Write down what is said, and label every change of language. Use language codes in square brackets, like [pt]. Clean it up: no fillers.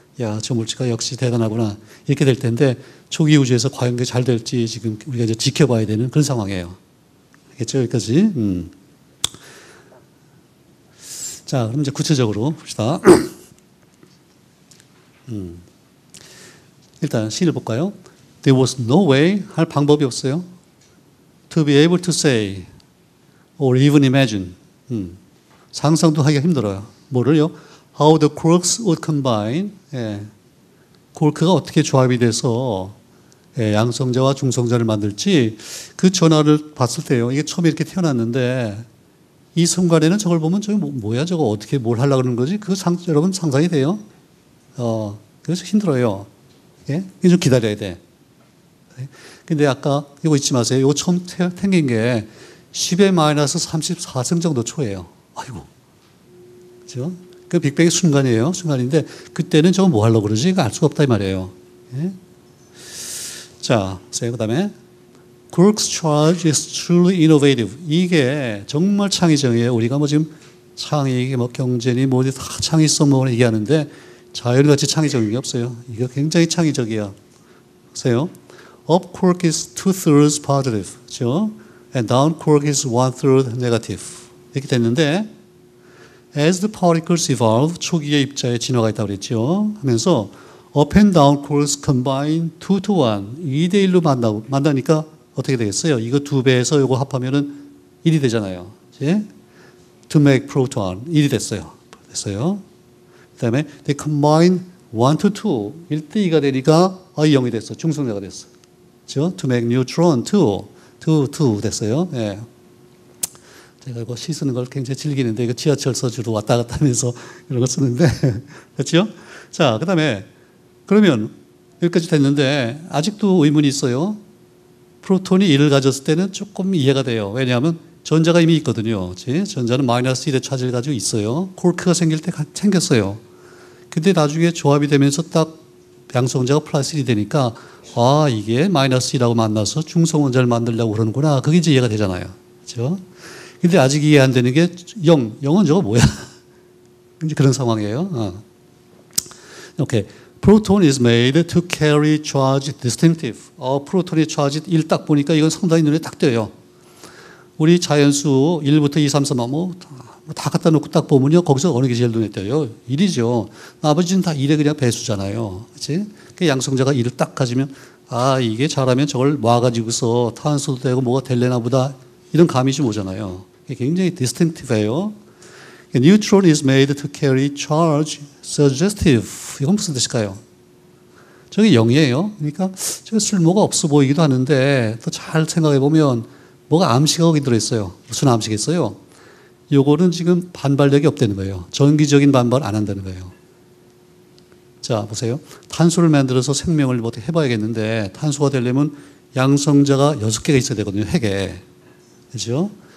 [ko] 야, 저 물질과 역시 대단하구나. 이렇게 될 텐데 초기 우주에서 과연 그게 잘 될지 지금 우리가 이제 지켜봐야 되는 그런 상황이에요. 알겠죠? 여기까지. 자, 그럼 이제 구체적으로 봅시다. 일단 시를 볼까요? [en] There was no way [ko] 할 방법이 없어요. [en] To be able to say or even imagine [ko] 상상도 하기가 힘들어요. 뭐를요? [en] How the quarks would combine 예. [ko] 쿼크가 어떻게 조합이 돼서 예, 양성자와 중성자를 만들지 그 전화를 봤을 때요. 이게 처음에 이렇게 태어났는데 이 순간에는 저걸 보면 저게 뭐야 저거 어떻게 뭘 하려고 그러는 거지? 여러분 상상이 돼요? 그래서 힘들어요. 예? 이게 좀 기다려야 돼. 근데 아까 이거 잊지 마세요. 이거 처음 생긴 게 10의 마이너스 34승 정도 초예요. 아이고. 그죠? 그 빅뱅의 순간이에요. 순간인데 그때는 저거 뭐 하려고 그러지? 이거 알 수가 없다 이 말이에요. 예? 자, 그 다음에 [en] Quark's charge is truly innovative. [ko] 이게 정말 창의적이에요. 우리가 뭐 지금 창의, 뭐 경제니 뭐 다 창의성 뭐 얘기하는데 자연같이 창의적인 게 없어요. 이거 굉장히 창의적이야. 보세요. [en] Up quark is two-thirds positive, 그렇죠? And down quark is one-third negative. [ko] 이렇게 됐는데 [en] as the particles evolve, [ko] 초기의 입자에 진화가 있다고 그랬죠. 하면서 [en] up and down quarks combine 2:1, [ko] 2:1로 만나니까 어떻게 되겠어요? 이거 두 배에서 이거 합하면 1이 되잖아요. 이제 [en] to make proton, [ko] 1이 됐어요. 그 다음에 [en] they combine 1:2, [ko] 1:2가 되니까 0이 됐어, 중성자가 됐어. [en] To make neutron, [ko] 2 됐어요. 예. 제가 이거 시 쓰는 걸 굉장히 즐기는데, 이거 지하철서 주로 왔다 갔다 하면서 이런 걸 쓰는데. 됐죠? 자, 그 다음에, 그러면 여기까지 됐는데, 아직도 의문이 있어요. 프로톤이 1을 가졌을 때는 조금 이해가 돼요. 왜냐하면 전자가 이미 있거든요. 그치? 전자는 마이너스 1의 차지를 가지고 있어요. 콜크가 생길 때 생겼어요. 근데 나중에 조합이 되면서 딱 양성자가 플러스 1이 되니까, 아, 이게 마이너스 2라고 만나서 중성원자를 만들려고 그러는구나. 그게 이제 이해가 되잖아요. 그죠? 근데 아직 이해 안 되는 게 0. 0은 저거 뭐야? 이제 그런 상황이에요. 오케이. [en] Proton is made to carry charge distinctive. [ko] 프로톤의 charge 1 딱 보니까 이건 상당히 눈에 딱 띄어요. 우리 자연수 1부터 2, 3, 4, 뭐 다 갖다 놓고 딱 보면요. 거기서 어느 게 제일 눈에 띄어요? 1이죠. 나머지는 다 1에 그냥 배수잖아요. 그치? 그 양성자가 1을 딱 가지면 아 이게 잘하면 저걸 모아가지고서 탄소도 되고 뭐가 될래나 보다 이런 감이 좀 오잖아요. 굉장히 distinctive예요. [en] Neutron is made to carry charge suggestive. [ko] 이건 무슨 뜻일까요? 저게 0이에요. 그러니까 저게 쓸모가 없어 보이기도 하는데 또 잘 생각해보면 뭐가 암시가 거기 들어있어요. 무슨 암시겠어요? 요거는 지금 반발력이 없다는 거예요. 전기적인 반발 안 한다는 거예요. 자, 보세요. 탄소를 만들어서 생명을 뭐 어떻게 해봐야겠는데, 탄소가 되려면 양성자가 6개가 있어야 되거든요, 핵에. 그죠?